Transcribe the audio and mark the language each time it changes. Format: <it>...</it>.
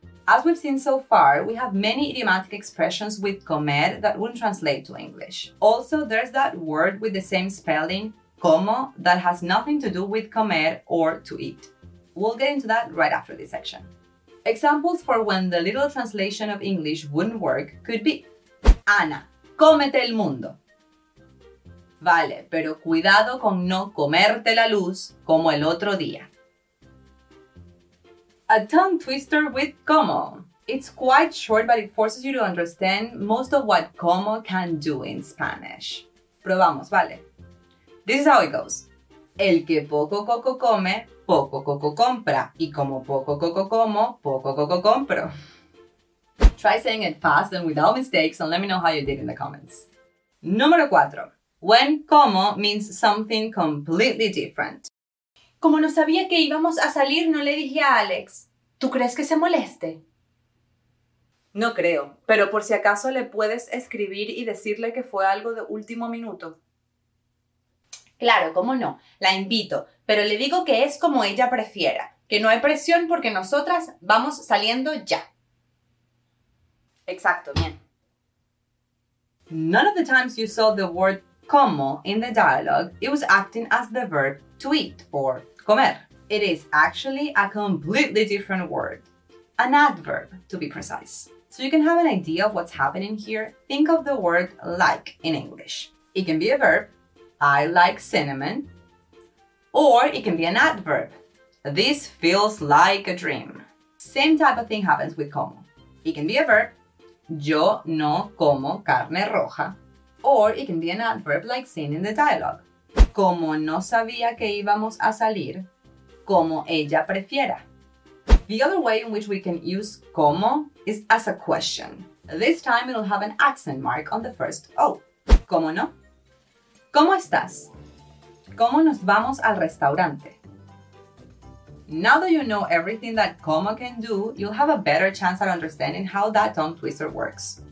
<en>As we've seen so far, we have many idiomatic expressions with comer that wouldn't translate to English. Also, there's that word with the same spelling, como, that has nothing to do with comer or to eat. We'll get into that right after this section. Examples for when the little translation of English wouldn't work could be</en> <es>Ana, cómete el mundo. Vale, pero cuidado con no comerte la luz como el otro día.</es> <en>A tongue twister with como. It's quite short, but it forces you to understand most of what como can do in Spanish.</en> <es>Probamos, vale.</es> <en>This is how it goes.</en> <es>El que poco coco come, poco coco compra. Y como poco coco como, poco coco compro.</es> <en>Try saying it fast and without mistakes and let me know how you did in the comments.</en> <es>Número 4.</es> <en>When como means something completely different.</en> <es>Como no sabía que íbamos a salir, no le dije a Alex. ¿Tú crees que se moleste? No creo, pero por si acaso le puedes escribir y decirle que fue algo de último minuto. Claro, cómo no. La invito, pero le digo que es como ella prefiera, que no hay presión porque nosotras vamos saliendo ya. Exacto, bien.</es> <en>None of the times you saw the word como in the dialogue, it was acting as the verb to eat or comer. It is actually a completely different word, an adverb to be precise. So you can have an idea of what's happening here. Think of the word like in English. It can be a verb, I like cinnamon, or it can be an adverb, this feels like a dream. Same type of thing happens with como. It can be a verb,</en> <es>yo no como carne roja,</es> <en>or it can be an adverb like seen in the dialogue.</en> <es>Como no sabía que íbamos a salir, como ella prefiera.</es> <en>The other way in which we can use como is as a question. This time it'll have an accent mark on the first O.</en> <es>Como no? ¿Cómo estás? ¿Cómo nos vamos al restaurante?</es> <en>Now that you know everything that como can do, you'll have a better chance at understanding how that tongue twister works.</en>